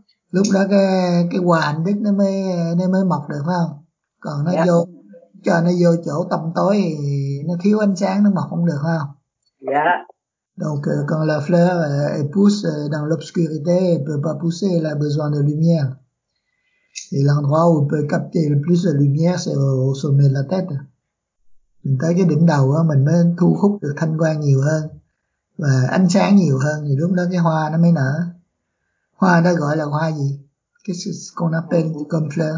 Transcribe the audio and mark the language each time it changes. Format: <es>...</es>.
<vi>Lúc đó cái hòa hạnh đức nó mới mọc được phải không? Còn nó vô cho nó vô chỗ tâm tối thì nó thiếu ánh sáng, nó mọc không được phải không? Dạ.</vi> <fr>Donc quand la fleur pousse dans l'obscurité, elle peut pas pousser, elle a besoin de lumière. Et l'endroit où on peut capter le plus de lumière, c'est au sommet de la tête.</fr> <vi>Mình tới cái đỉnh đầu á, mình mới thu hút được thanh quang nhiều hơn và ánh sáng nhiều hơn, thì lúc đó cái hoa nó mới nở. Hoa đó gọi là hoa gì?</vi> <fr>Qu'est-ce qu'on appelle comme fleur?</fr>